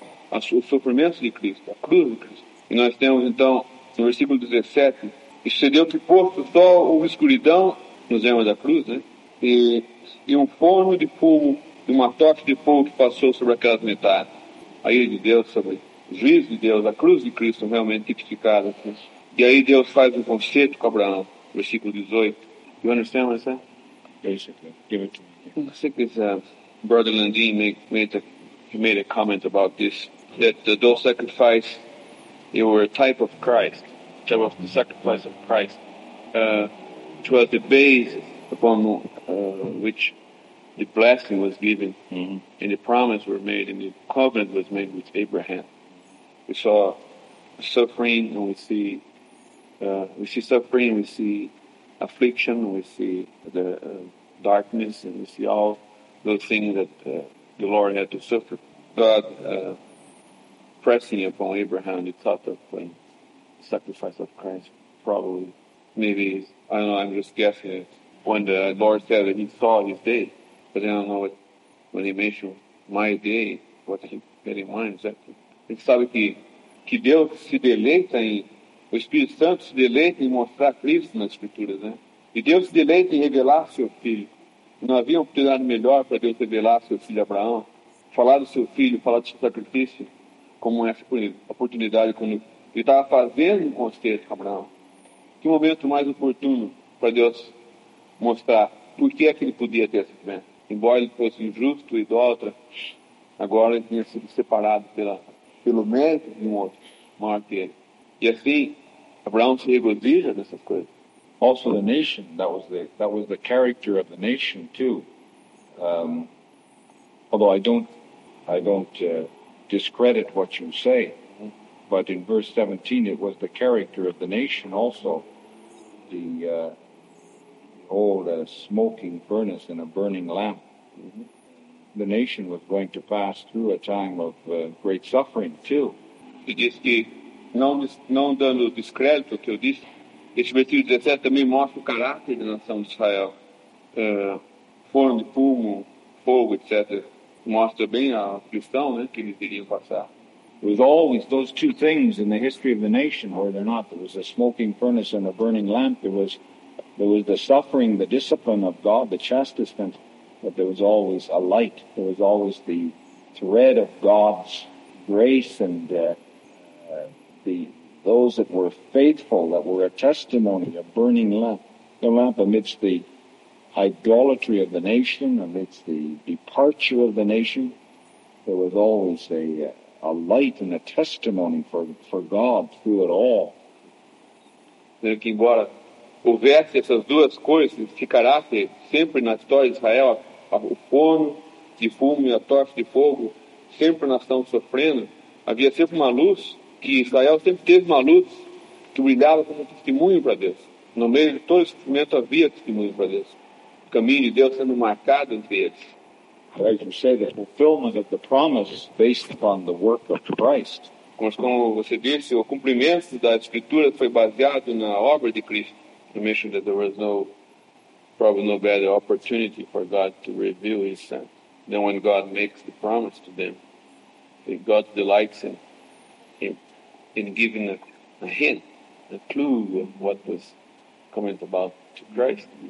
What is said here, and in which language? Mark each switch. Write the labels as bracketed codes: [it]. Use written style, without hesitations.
[pt] O sofrimento de Cristo, a cruz de Cristo. E nós temos então, no versículo 17, e sucedeu que posto o sol, houve escuridão, nos lembra da cruz, né? E um forno de fumo, e uma tocha de fogo que passou sobre aquelas metades. A ira de Deus, sobre o juízo de Deus, a cruz de Cristo realmente tipificada. Né? E aí Deus faz um conceito com Abraão, versículo 18. [en] You understand what I said? Basically, give it to me. I think Brother Landine He made a comment about this, that those sacrifices, they were a type of Christ, type of the sacrifice of Christ, which was the base upon which the blessing was given, and the promise were made, and the covenant was made with Abraham. We saw suffering, and we see suffering, we see affliction, we see the darkness, and we see all those things that the Lord had to suffer. God pressing upon Abraham the thought of the sacrifice of Christ, probably, maybe, I don't know, I'm just guessing it, when the Lord said that he saw his day, but I don't know what, when he mentioned my day, what he had in mind exactly. [pt] Ele sabe que Deus se deleita em, o Espírito Santo se deleita em mostrar Cristo nas Escrituras, né? E Deus se deleita em revelar seu filho. Não havia oportunidade melhor para Deus revelar seu filho Abraão. Falar do seu filho, falar do seu sacrifício, como essa oportunidade, quando ele estava fazendo um conselho com Abraão. Que momento mais oportuno para Deus mostrar por que é que ele podia ter essa fé. Embora ele fosse injusto e idólatra, agora ele tinha sido separado pelo mérito de um outro, maior que ele. E assim, Abraão se regozija dessas coisas. [en] Also the nation, that was the character of the nation too. Although I don't discredit what you say, but in verse 17 it was the character of the nation also, the old smoking furnace and a burning lamp. The nation was going to pass through a time of great suffering too. [pt] Ele diz que, não dando descrédito ao que eu disse, esse versículo 17 também mostra o caráter da nação de Israel. Forno de fumo, fogo, etc. Mostra bem a questão, né, que eles iriam passar. [en] There was always those two things in the history of the nation, were there not? There was a smoking furnace and a burning lamp. There was the suffering, the discipline of God, the chastisement, but there was always a light. There was always the thread of God's grace and the those that were faithful, that were a testimony, a burning lamp, the lamp amidst the idolatry of the nation, amidst the departure of the nation, there was always a light and a testimony for God through it all. [pt] Dizendo que embora houvesse essas duas coisas, ficará sempre na história de Israel o forno de fumo e a tocha de fogo, sempre a nação sofrendo, havia sempre uma luz, que Israel sempre teve uma luz que brilhava como testemunho para Deus. No meio de todo o sofrimento havia testemunho para Deus. O caminho de Deus sendo marcado entre eles. [en] As you say, the fulfillment of the promise is based upon the work of Christ. [pt] Como você disse, o cumprimento da Escritura foi baseado na obra de Cristo. [en] You mentioned that there was no better opportunity for God to reveal His Son than when God makes the promise to them. If God delights in giving a hint, a clue of what was coming about to Christ.